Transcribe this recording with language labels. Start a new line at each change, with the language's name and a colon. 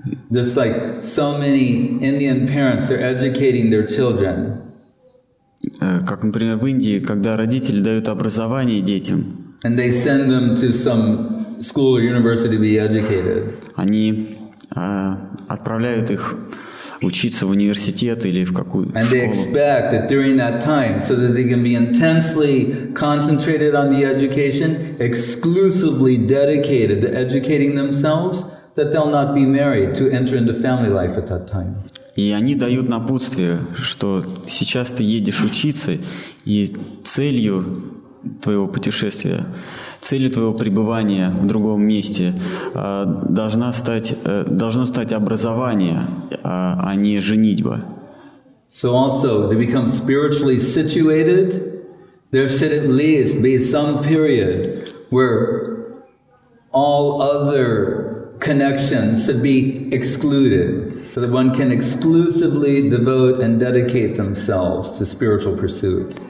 English: Just like so many Indian parents, they're educating their children.
Russian: Как, например, в Индии, когда родители дают образование детям.
English: And they send them to some school or university to be educated.
Russian: Они отправляют их учиться в университет или в какую-то школу.
English: And they expect that during that time, so that they can be intensely concentrated on the education, exclusively dedicated to educating themselves, that they'll not be married to enter into family life at that time.
Russian: И они дают напутствие, что сейчас ты едешь учиться, и целью твоего путешествия, целью твоего пребывания в другом месте должно стать образование, а не женитьба.
English: So also they become spiritually situated, there should at least be some period where all other connections should be excluded, so that one can exclusively devote and dedicate themselves to spiritual pursuit.